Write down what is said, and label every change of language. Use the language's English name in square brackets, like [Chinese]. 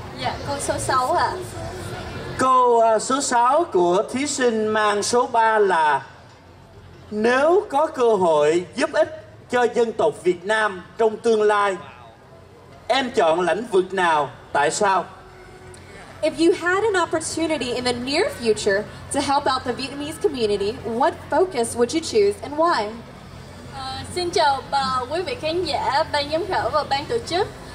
[Vietnamese] Dạ, cô số 6 ạ. Câu số 6 của thí sinh mang số 3 là: nếu có cơ hội giúp ích cho dân tộc Việt Nam trong tương lai, em chọn lĩnh vực nào, tại sao? [English] If you had an opportunity in the near future to help out the Vietnamese community, what focus would you choose and why? [Vietnamese] Xin chào bà, quý vị khán giả, ban giám khảo và ban tổ chức.